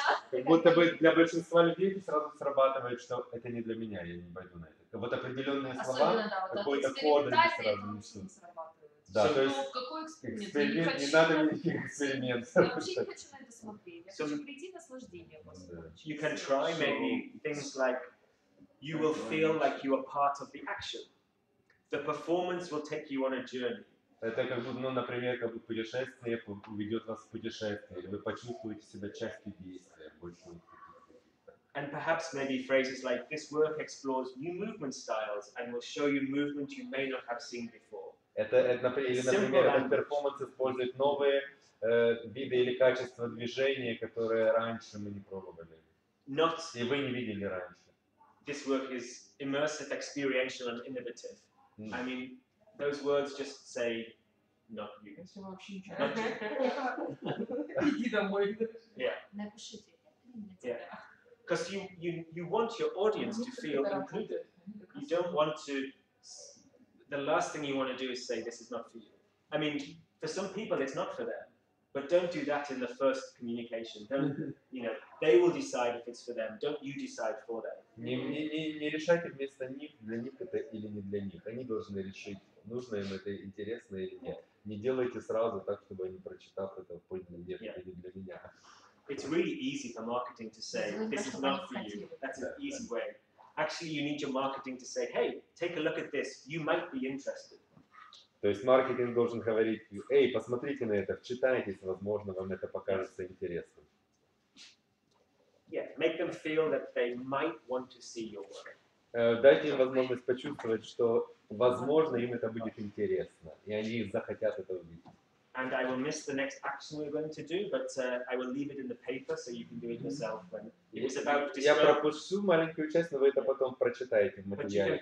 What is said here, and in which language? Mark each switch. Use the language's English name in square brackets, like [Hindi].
[Russian] Как будто бы для большинства людей сразу срабатывает, что это не для меня, я не пойду на это. Вот определенные слова, какой-то код они сразу несут. Да, то есть эксперимент, не надо никаких экспериментов. Я вообще не хочу на это смотреть, я хочу прийти в наслаждение. [English] You can try maybe things like, you will feel like you are part of the action. The performance will take you on a journey. [Russian] Это как бы, ну, например, как бы путешествие уведет вас в путешествие, или вы почувствуете себя частью действия, больше. [English] And perhaps maybe phrases like this work explores new movement styles and will show you movement you may not have seen before. [Russian] Это например, этот перформанс использует новые виды или качества движения, которые раньше мы не пробовали. [English] Not. [Russian] И вы не видели раньше. [English] This work is immersive, experiential, and innovative. I mean. Those words just say, not you. Yeah. Because you want your audience to feel included. You don't want to, the last thing you want to do is say, this is not for you. I mean, for some people, it's not for them. But don't do that in the first communication. Don't, you know, they will decide if it's for them. Don't you decide for them. [Russian] Не решайте вместо них, для них это или не для них. Они должны решить. Нужно им это интересно или нет. Не делайте сразу так, чтобы они прочитав это поняли, нет, это не для меня. [English] It's really easy for marketing to say this is not for you. That's an easy way. Actually, you need your marketing to say, hey, take a look at this. You might be interested. [Russian] То есть маркетинг должен говорить, эй, посмотрите на это, вчитайтесь, возможно, вам это покажется интересным. [English] Yeah, make them feel that they might want to see your work. [Russian] Дайте им возможность почувствовать, что, возможно, им это будет интересно, и они захотят это увидеть. [English] And I will miss the next action we're going to do, but I will leave it in the paper, so you can do it yourself. When it was about to [Russian] Я пропущу маленькую часть, но вы это потом прочитаете в материале.